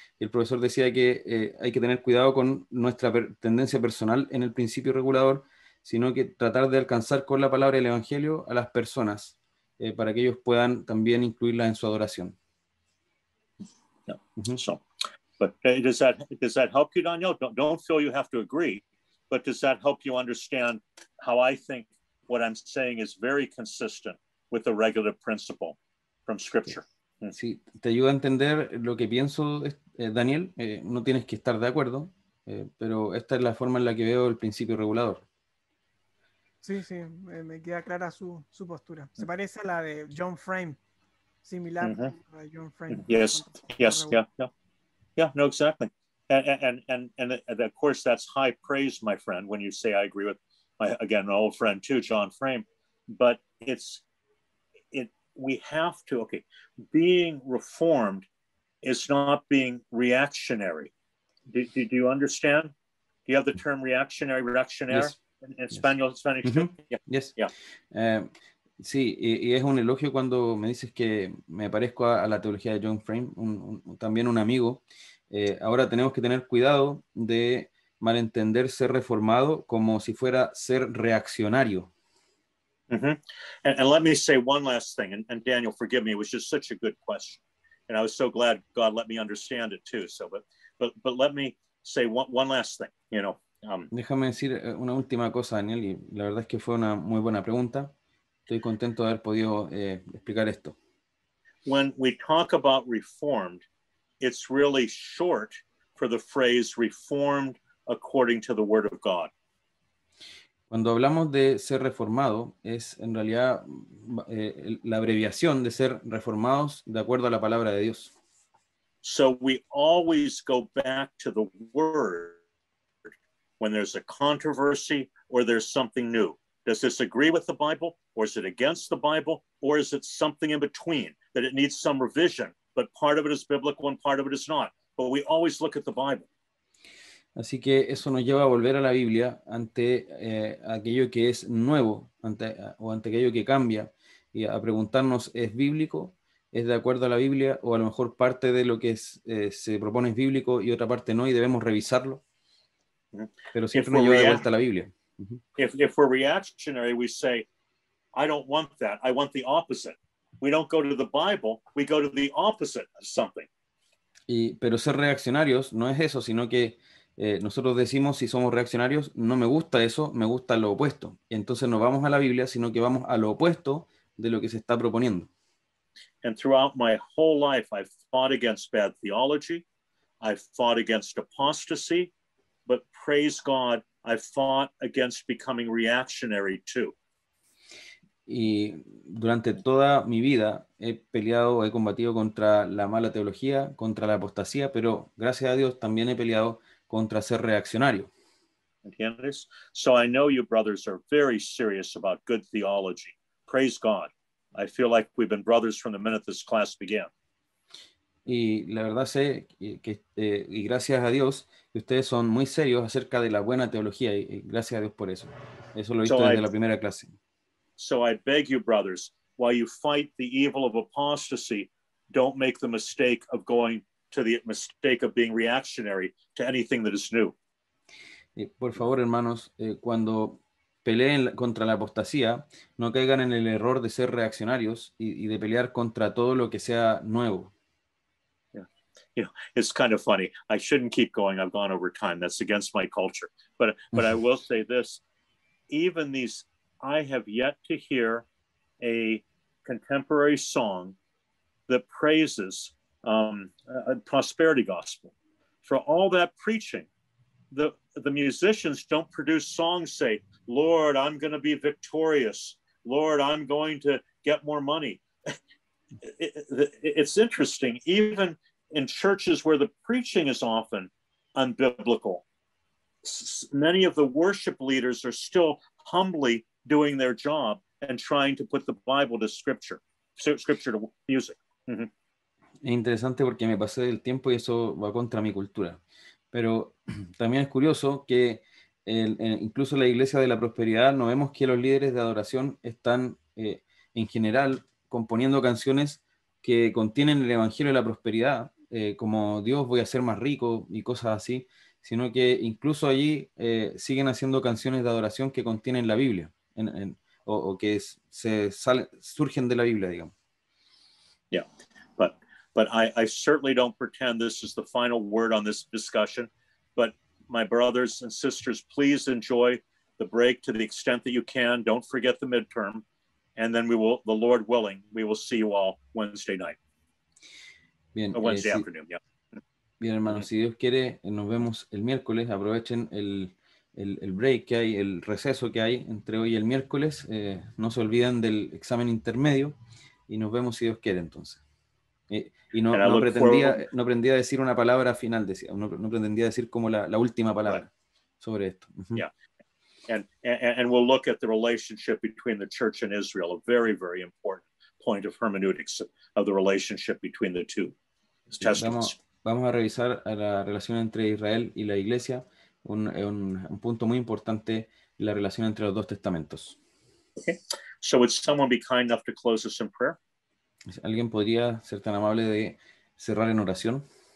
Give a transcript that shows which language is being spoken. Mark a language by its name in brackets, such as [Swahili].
[Spanish] El profesor decía que hay que tener cuidado con nuestra tendencia personal en el principio regulador, sino que tratar de alcanzar con la palabra del Evangelio a las personas para que ellos puedan también incluirla en su adoración. [English] Yeah. Mm-hmm. So, but does that help you, Daniel? Don't feel you have to agree, but does that help you understand how I think what I'm saying is very consistent with the regular principle from Scripture? Yeah. [Spanish] Sí, te ayuda a entender lo que pienso. Daniel, no tienes que estar de acuerdo, pero esta es la forma en la que veo el principio regulador. Sí, sí, me queda clara su postura. Se parece a la de John Frame, similar uh-huh. a John Frame. [English] Yes, yes, yeah, no, exactly. And of course, that's high praise, my friend, when you say I agree with my old friend too, John Frame. But we have to, okay, being reformed is not being reactionary. Do you understand? Do you have the term reactionary, reactionary? Yes. In Spanish? Yes. Spanish mm-hmm. Yeah. Yes. Yeah. [Spanish] Sí, y es un elogio cuando me dices que me parezco a la teología de John Frame, también un amigo. Ahora tenemos que tener cuidado de malentender ser reformado como si fuera ser reaccionario. Mm-hmm. [English] And let me say one last thing, and Daniel, forgive me, it was just such a good question. And I was so glad God let me understand it too. So, but let me say one last thing, you know. [Spanish] Déjame decir una última cosa, Daniel, y la verdad es que fue una muy buena pregunta. Estoy contento de haber podido explicar esto. [English] When we talk about reformed, it's really short for the phrase reformed according to the word of God. [Spanish] Cuando hablamos de ser reformado, es en realidad la abreviación de ser reformados de acuerdo a la palabra de Dios. [English] So we always go back to the word when there's a controversy or there's something new. Does this agree with the Bible, or is it against the Bible, or is it something in between that it needs some revision, but part of it is biblical and part of it is not? But we always look at the Bible. [Spanish] Así que eso nos lleva a volver a la Biblia ante aquello que es nuevo, ante aquello que cambia, y a preguntarnos, ¿es bíblico? ¿Es de acuerdo a la Biblia? ¿O a lo mejor parte de lo que es, se propone es bíblico y otra parte no, y debemos revisarlo? Pero siempre nos lleva de vuelta a la Biblia. [English] If we're reactionary, we say, I don't want that. I want the opposite. We don't go to the Bible. We go to the opposite of something. [Spanish] Y, pero ser reaccionarios no es eso, sino que nosotros decimos, si somos reaccionarios, no me gusta eso, me gusta lo opuesto. Y entonces no vamos a la Biblia, sino que vamos a lo opuesto de lo que se está proponiendo. [English] And throughout my whole life, I've fought against bad theology. I've fought against apostasy. But praise God, I fought against becoming reactionary too. [Spanish] Y durante toda mi vida he peleado, he combatido contra la mala teología, contra la apostasía, pero gracias a Dios también he peleado contra ser reaccionario. ¿Entiendes? [English] So I know you brothers are very serious about good theology. Praise God. I feel like we've been brothers from the minute this class began. [Spanish] Y la verdad sé que, y gracias a Dios, que ustedes son muy serios acerca de la buena teología, y gracias a Dios por eso. Eso lo he visto desde la primera clase. [English] So I beg you, brothers, while you fight the evil of apostasy, don't make the mistake of going to the mistake of being reactionary to anything that is new. [Spanish] Y por favor, hermanos, cuando peleen contra la apostasía, no caigan en el error de ser reaccionarios y de pelear contra todo lo que sea nuevo. [English] You know, it's kind of funny. I shouldn't keep going. I've gone over time. That's against my culture. But I will say this. Even these, I have yet to hear a contemporary song that praises a prosperity gospel. For all that preaching, the musicians don't produce songs say, Lord, I'm going to be victorious. Lord, I'm going to get more money. It's interesting. Even in churches where the preaching is often unbiblical, many of the worship leaders are still humbly doing their job and trying to put the Bible to scripture to music. [Spanish] Mm-hmm. Es interesante porque me pasé el tiempo y eso va contra mi cultura. Pero también es curioso que incluso en la Iglesia de la Prosperidad no vemos que los líderes de adoración están en general componiendo canciones que contienen el Evangelio de la Prosperidad. Como Dios voy a ser más rico y cosas así, sino que incluso allí siguen haciendo canciones de adoración que contienen la Biblia o que surgen de la Biblia, digamos. [English] Yeah, but I certainly don't pretend this is the final word on this discussion, but my brothers and sisters, please enjoy the break to the extent that you can. Don't forget the midterm, and then we will, the Lord willing, we will see you all Wednesday night. [Spanish] Bien, [English] Wednesday afternoon. [Spanish] Bien, hermanos, si Dios quiere, nos vemos el miércoles. Aprovechen el break que hay, el receso que hay entre hoy y el miércoles. No se olviden del examen intermedio y nos vemos si Dios quiere, entonces. No pretendía decir una palabra final, decía. No pretendía decir como la última palabra sobre esto. [English] Yeah. And we'll look at the relationship between the church and Israel, a very, very important point of hermeneutics of the relationship between the two. [Spanish] Vamos a revisar la relación entre Israel y la Iglesia, un punto muy importante la relación entre los dos testamentos. [English] Okay. So would someone be kind enough to close us in prayer? [Spanish] ¿Alguien podría ser tan amable de cerrar en oración?